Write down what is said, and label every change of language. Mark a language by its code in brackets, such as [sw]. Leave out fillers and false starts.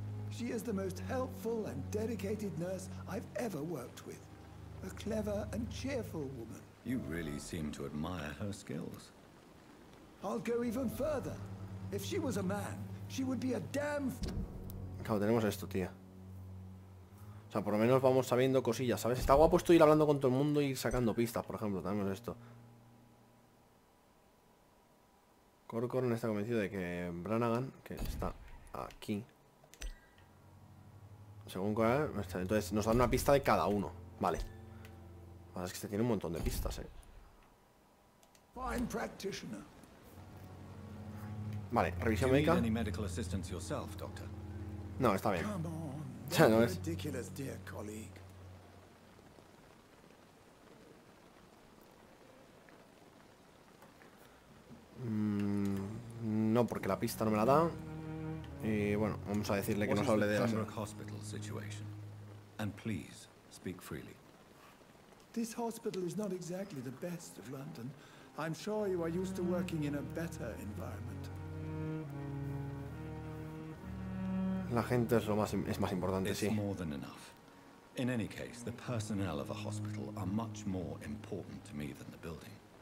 [en] She is the most helpful and dedicated nurse I've ever worked with. A clever and cheerful woman. You really seem to admire her skills. I'll go even further. If she was a man, she would be a damn... [es] Claro, tenemos esto, tía. O sea, por lo menos vamos sabiendo cosillas, ¿sabes? Está guapo esto ir hablando con todo el mundo y sacando pistas, por ejemplo. Tenemos esto. Corcoran está convencido de que Branigan, que está aquí. Según Corcoran, entonces nos dan una pista de cada uno. Vale. Ahora es que se tiene un montón de pistas, ¿eh? [en] Fine practitioner. [es] Vale, revisión médica. ¿Tienes alguna ayuda médica tú mismo, doctor? No, está bien. Ya no es. [en] Ridiculous, dear colleague. [es] No, porque la pista no me la da. Y bueno, vamos a decirle que nos hable de la [en] hospital situation. And please speak freely. This hospital is not exactly the best of London. I'm sure you are used to working in a better environment. [es] La gente es lo más importante, sí. [en] More than enough. In any case, the personnel of a hospital are much more important to me than the building.